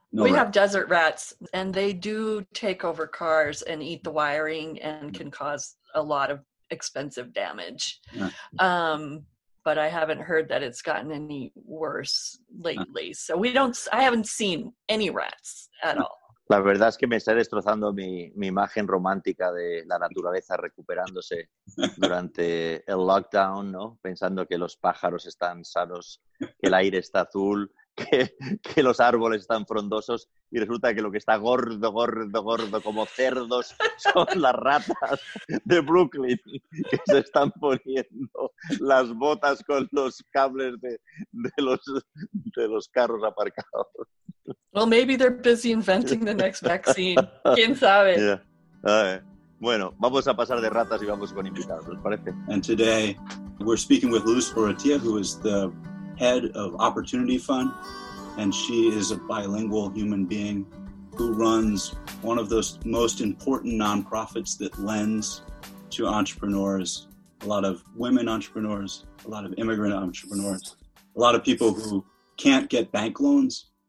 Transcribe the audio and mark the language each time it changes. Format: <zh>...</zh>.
<en>We have desert rats, and they do take over cars and eat the wiring and can cause a lot of expensive damage. Yeah. But I haven't heard that it's gotten any worse lately. So I haven't seen any rats at all.</en> <es>La verdad es que me está destrozando mi imagen romántica de la naturaleza recuperándose durante el lockdown, ¿no? Pensando que los pájaros están sanos, que el aire está azul, que los árboles están frondosos y resulta que lo que está gordo, gordo, gordo, como cerdos, son las ratas de Brooklyn que se están poniendo las botas con los cables de los carros aparcados.</es> <en>Well, maybe they're busy inventing the next vaccine.</en> <es>¿Quién sabe?</es> <en>Yeah.</en> <es>Bueno, vamos a pasar de ratas y vamos con invitados, ¿les parece?</es> <en>And today, we're speaking with Luz Oratia, who is the head of Opportunity Fund, and she is a bilingual human being who runs one of those most important nonprofits that lends to entrepreneurs, a lot of women entrepreneurs, a lot of immigrant entrepreneurs, a lot of people who can't get bank loans.</en>